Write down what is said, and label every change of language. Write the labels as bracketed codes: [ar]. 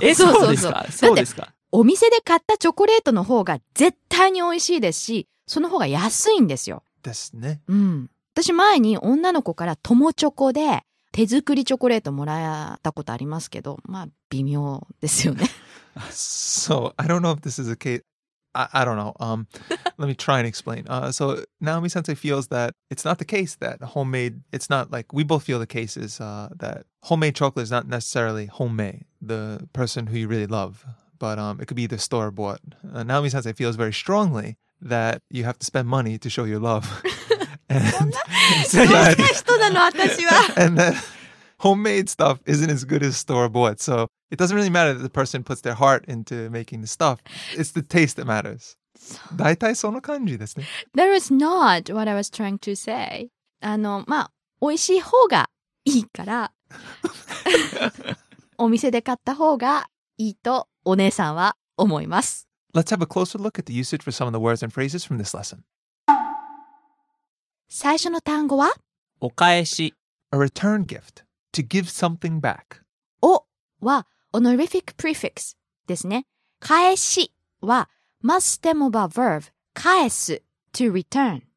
[ja] え、そうですか。そうですか。お店で買ったチョコレートの方が絶対に美味しいですし、その方が安いんですよ。ですね。うん。私前に女の子から友チョコで手作りチョコレートもらったことありますけど、まあ、微妙ですよね。 [en] So, I don't know if this is a case. I don't know. let me try and explain. So, Naomi-sensei feels that it's not the case that homemade, it's not like, we both feel the case is that homemade chocolate is not necessarily homemade, the person who you really love, but it could be the store-bought. Naomi-sensei feels very strongly that you have to spend money to show your love. And then homemade stuff isn't as good as store-bought, so... It doesn't really matter that the person puts their heart into making the stuff. It's the taste that matters. [ja] だいたいその感じですね。 [en] That was not what I was trying to say. [ja] あの、まあ、美味しい方がいいから、お店で買った方がいいとお姉さんは思います。 [en] Let's have a closer look at the usage for some of the words and phrases from this lesson. [ja] 最初の単語は？お返し。 [en] A return gift. To give something back. [ja] おは [en] honorific prefix [ja] ですね。 [en] 返しは must stem of a verb 返す to return.